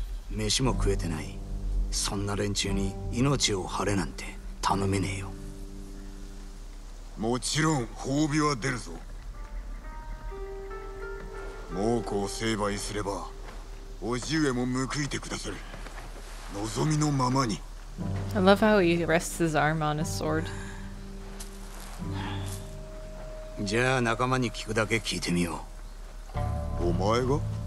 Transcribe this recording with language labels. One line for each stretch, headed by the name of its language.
Japanese: 飯も食えてない。そんな連中に命を張れなんて頼めねえよ。もちろん褒美は出るぞ。猛虎を成敗すれば、お従えも報いてくださる。望みのままに。
English: I love how he rests his arm on his sword.
Japanese: じゃあ仲間に聞くだけ聞いてみよう。お前が?